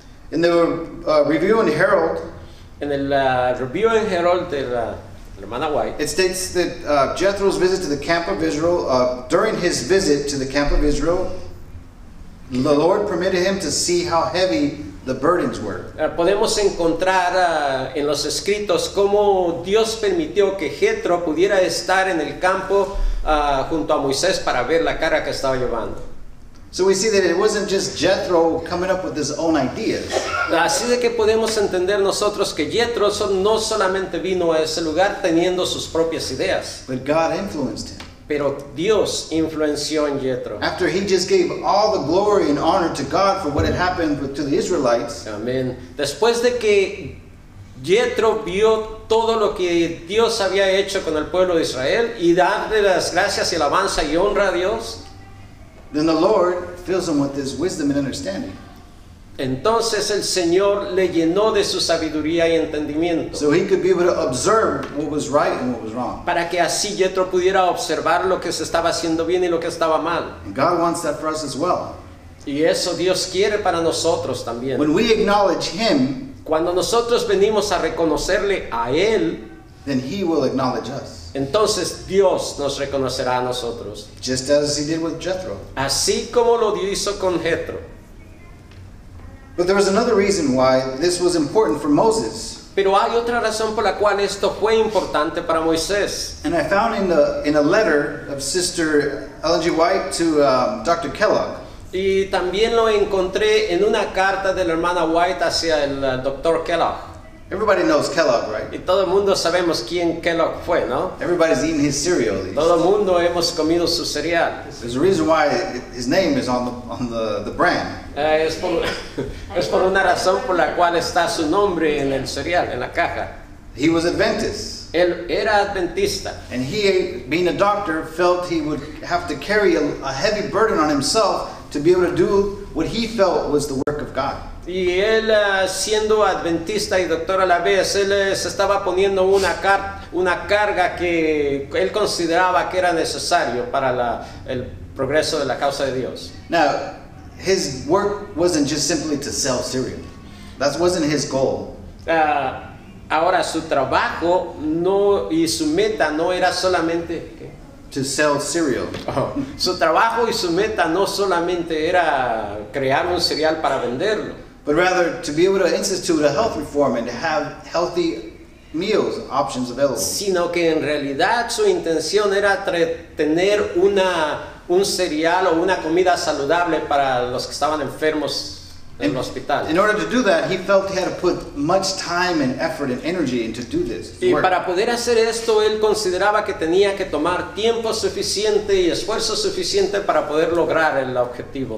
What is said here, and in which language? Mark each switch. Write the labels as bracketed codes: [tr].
[en] In the Review and Herald, [es] en el Review and Herald de la hermana White, [en] it states that Jethro's visit to the camp of Israel, during his visit to the camp of Israel, the Lord permitted him to see how heavy the burdens were. [es] Podemos encontrar en los escritos cómo Dios permitió que Jethro pudiera estar en el campo junto a Moisés para ver la carga que estaba llevando. [en] So we see that it wasn't just Jethro coming up with his own ideas. [es] Así de que podemos entender nosotros que Jethro no solamente vino a ese lugar teniendo sus propias ideas. [en] But God influenced him. [es] Pero Dios influenció en Jethro. [en] After he just gave all the glory and honor to God for what had happened to the Israelites. Amen. [es] Después de que Jethro vio todo lo que Dios había hecho con el pueblo de Israel y darle las gracias y alabanza y honra a Dios. [en] Then the Lord fills him with his wisdom and understanding. [es] Entonces el Señor le llenó de su sabiduría y entendimiento. [en] So he could be able to observe what was right and what was wrong. [es] Para que así Jethro pudiera observar lo que se estaba haciendo bien y lo que estaba mal. [en] And God wants that for us as well. [es] Y eso Dios quiere para nosotros también. [en] When we acknowledge him, [es] cuando nosotros venimos a reconocerle a él, [en] then he will acknowledge us. [es] Entonces Dios nos reconocerá a nosotros. [en] Just as he did with Jethro. [es] Así como lo hizo con Jethro. [en] But there was another reason why this was important for Moses. [es] Pero hay otra razón por la cual esto fue importante para Moisés. [en] And I found in a letter of Sister Ellen G. White to Dr. Kellogg. [es] Y también lo encontré en una carta de la hermana White hacia el Dr. Kellogg. [en] Everybody knows Kellogg, right? [es] Y todo el mundo sabemos quién Kellogg fue, ¿no? [en] Everybody's eaten his cereal. [es] Todo el mundo hemos comido su cereal. [en] There's a reason why his name is on the brand. [es] Es por una razón por la cual está su nombre en el cereal, en la caja. [en] He was Adventist. [es] Él era adventista. [en] And he, being a doctor, felt he would have to carry a heavy burden on himself to be able to do what he felt was the work of God. [es] Y él, siendo adventista y doctor a la vez, él se estaba poniendo una carga que él consideraba que era necesario para el progreso de la causa de Dios. [en] Now, his work wasn't just simply to sell cereal. That wasn't his goal. [es] Ahora, su trabajo no, y su meta no era solamente... ¿qué? [en] To sell cereal. Oh. [es] Su trabajo y su meta no solamente era crear un cereal para venderlo. [en] But rather to be able to institute a health reform and to have healthy meals options available. [es] Sino que en realidad su intención era tener un cereal o una comida saludable para los que estaban enfermos en el hospital. [en] In order to do that, he felt he had to put much time and effort and energy into do this. [es] Y para poder hacer esto, él consideraba que tenía que tomar tiempo suficiente y esfuerzo suficiente para poder lograr el objetivo.